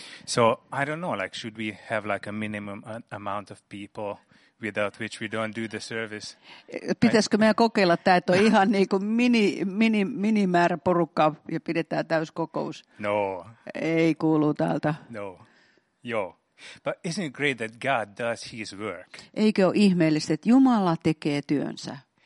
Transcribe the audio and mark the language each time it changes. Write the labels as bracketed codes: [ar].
[en] So I don't know, like should we have like a minimum amount of people without which we don't do the service? [fi] Pitäisikö meidän kokeilla, että tämä on ihan niin kuin minimäärä porukkaa ja pidetään täyskokous? No. Ei kuulu täältä. No. Joo. [en] But isn't it great that God does his work? [fi] Eikö ole ihmeellistä, että Jumala tekee työnsä?